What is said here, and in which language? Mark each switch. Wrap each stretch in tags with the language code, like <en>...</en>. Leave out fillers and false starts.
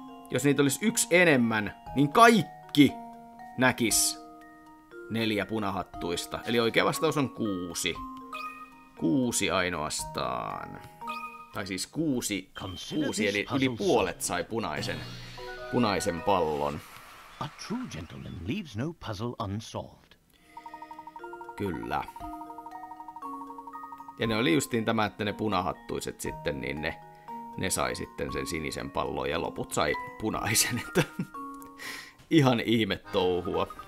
<fi>Jos niitä olisi 1 enemmän, niin kaikki näkis 4 punahattuista. Eli oikea vastaus on 6. 6 ainoastaan. Tai siis 6, eli yli puolet sai punaisen pallon.</fi> <en>A true gentleman leaves no puzzle unsolved.</en> <fi>Kyllä. Ja ne oli justiin tämä, että ne punahattuiset sitten, niin ne sai sitten sen sinisen pallon ja loput sai punaisen. Että ihan ihme touhua.</fi>